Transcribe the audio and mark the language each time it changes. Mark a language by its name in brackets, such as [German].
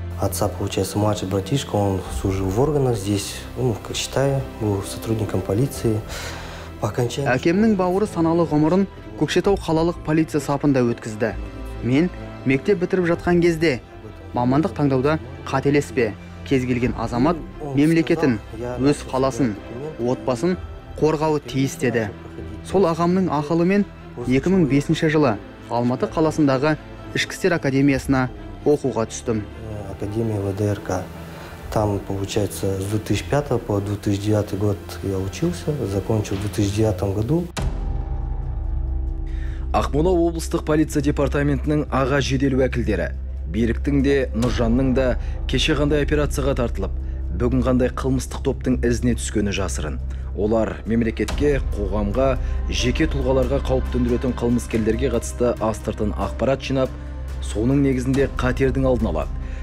[Russian] Отца, получается, младший братишка, он служил в органах здесь, ну, как считаю, был сотрудником полиции. По окончании... [Kazakh] Әкемнің бауыры саналы ғұмырын Көкшетау қалалық полиция сапында өткізді. Мен мектеп бітіріп жатқан кезде мамандық таңдауда қателеспе. Кез келген азамат мемлекетін, өз қаласын, отбасын қорғауы тиіс деді. Сол ағамның ақылымен 2005 жылы Алматы қаласындағы ішкі істер академиясына оқуға түстім. [Russian] Академия ВДРК. Там, получается, с 2005 по 2009 год я учился, закончил в 2009 году. [Kazakh] Ақмола облыстық полиция департаментінің аға жедел уәкілдері Беріктің де, Нұржанның да кеше қандай операцияға тартылып, бүгін қандай қылмыстық топтың ізіне түскені жасырын. Олар мемлекетке, қоғамға, жеке тұлғаларға қауіп төндіретін қылмыскерлерге қатысты астыртын ақпарат жинап, соның негізінде қатердің алдын алады.